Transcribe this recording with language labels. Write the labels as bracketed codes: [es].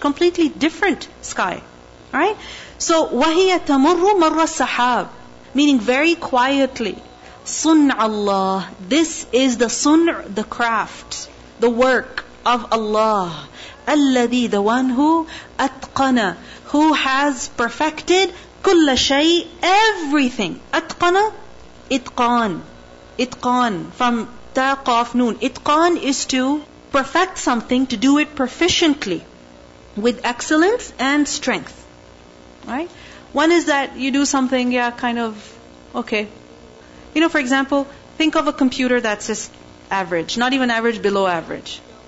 [en] Completely different sky. Right? So, [ar] وَهِيَ تَمُرُّ مَرَّ السَّحَابِ, [en] meaning very quietly. [ar] صُنْعَ اللَّهِ, [en] this is the sun', the craft, the work of Allah. الَّذِي, the one who أَتْقَنَ, who has perfected [ar] كُلَّ شَيْءٍ, [en] everything. [ar] أَتْقَنَ, إِتْقَان. إِتْقَان from تَاقَافْ نُون. [en] إِتْقَان is to perfect something, to do it proficiently, with excellence and strength. Right? One is that you do something, yeah, kind of, okay. You know, for example, think of a computer that's just average, not even average, below average.